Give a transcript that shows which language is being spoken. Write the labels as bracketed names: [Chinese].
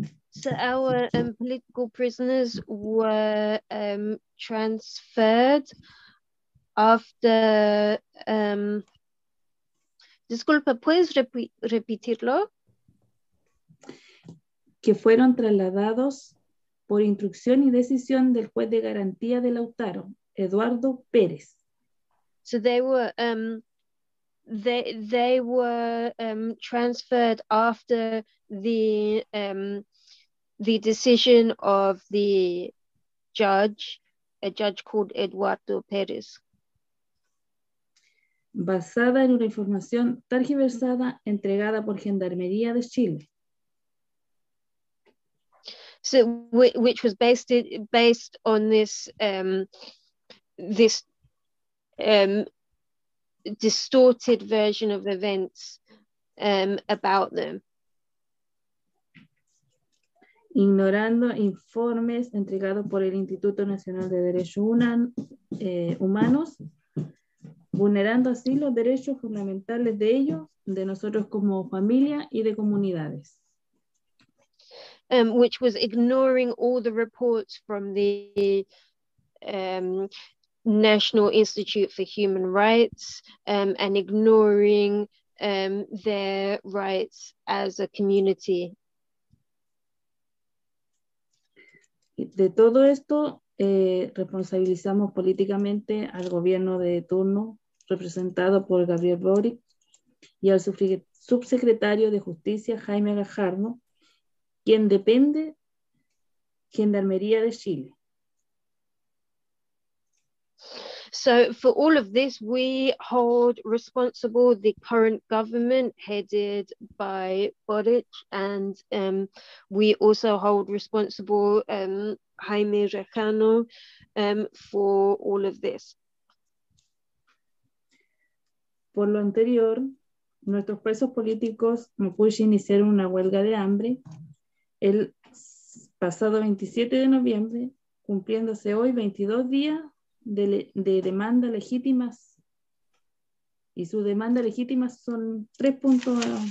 [English] So our political prisoners were transferred after [Spanish] disculpa, ¿puedes repetirlo? Que fueron trasladados por instrucción y decisión del juez de garantía de Lautaro, Eduardo Pérez. [English] So they were transferred after the decision of the judge, a judge called Eduardo Pérez. [Spanish] Basada en una información tergiversada entregada por Gendarmería de Chile. [English] So, which was based on this distorted version of events about them. [Spanish] Ignorando informes entregados por el Instituto Nacional de Derechos Humanos, vulnerando así los derechos fundamentales de ellos, de nosotros como familia y de comunidades. [English] Which was ignoring all the reports from the National Institute for Human Rights and ignoring their rights as a community. [Spanish] De todo esto, responsabilizamos políticamente al gobierno de turno, representado por Gabriel Boric, y al subsecretario de Justicia, Jaime Gajardo, quien depende Gendarmería de Chile. [English] So for all of this, we hold responsible the current government headed by Boric, and we also hold responsible Jaime Rejano for all of this. [Spanish] Por lo anterior, nuestros presos políticos Mapuche iniciaron una huelga de hambre el pasado 27 de noviembre, cumpliéndose hoy 22 días de demandas legítimas, y sus demandas legítimas son 3 puntos.